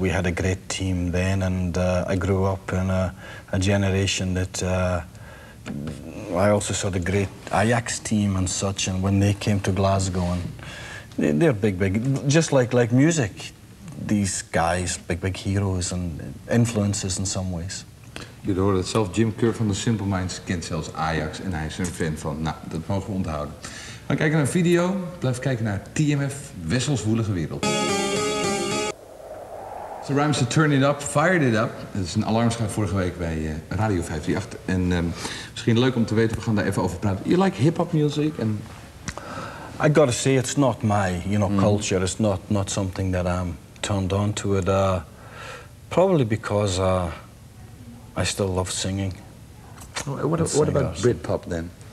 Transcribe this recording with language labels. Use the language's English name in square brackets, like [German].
[English] We had a great team then, and I grew up in a generation that I also saw the great Ajax team and such, and when they came to Glasgow, and they're big, just like music. These guys, big heroes and influences in some ways. [Dutch] Je hoorde het zelf, Jim Kerr van de Simple Minds kent zelfs Ajax en hij is een fan van. Nou, dat mogen we onthouden. Ga kijken naar een video, blijf kijken naar TMF, Wessels woelige wereld. [English] So rhymes to turn it up, fired it up. [Dutch] Dat is een alarmschijf vorige week bij Radio 58. En misschien leuk om te weten, we gaan daar even over praten. [English] You like hip-hop music? And I gotta say, it's not my, you know, culture. It's not something that I'm turned on to it. Probably because I still love singing. What about Britpop then?